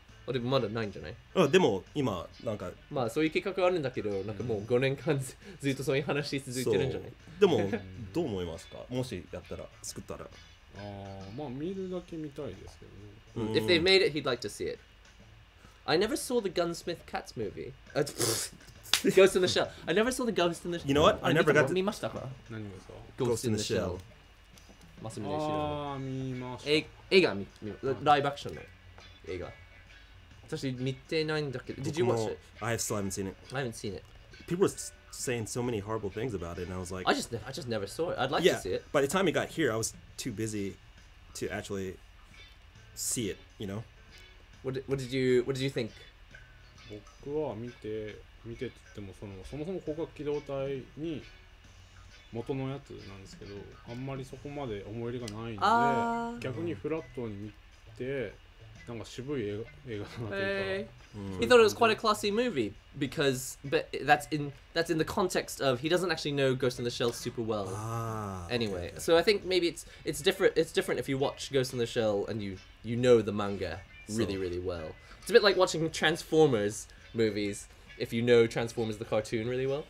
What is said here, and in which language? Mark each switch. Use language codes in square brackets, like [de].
[ja] でもまだないんじゃない? でも今なんかそういう企画あるんだけど、なんかもう 5年間ずっとそういう話続いてるんじゃない? でもどう思いますか? もしやったら、作ったらまあ見るだけ見たいですけど [en] If they made it, he'd like to see it. I never saw the Gunsmith Cats movie. Ghost in the Shell. I never saw the Ghost in the Shell. You know what? I never got to... [ja] 見ましたか? 何ですか? [en] Ghost in the Shell. [ja] あ、見ました。映画見、ライブアクションの映画。私見てないんだけど、 [en] Did you watch it? I still haven't seen it. I haven't seen it. People were saying so many horrible things about it, and I was like, I just never saw it. I'd like to see it. By the time it got here, I was too busy to actually see it. You know. What did you think? [ja] 僕は見て、見てって言っても、その、そもそも広角機動隊に。元のやつなんですけど、あんまりそこまで思い入れがないんで、逆にフラットに見て、なんか渋い映画だなというか。 [en] He thought it was quite a classy movie because, but that's in the context of he doesn't actually know Ghost in the Shell super well. Anyway, so I think maybe it's different if you watch Ghost in the Shell and you know the manga really really well. It's a bit like watching Transformers movies if you know Transformers the cartoon really well.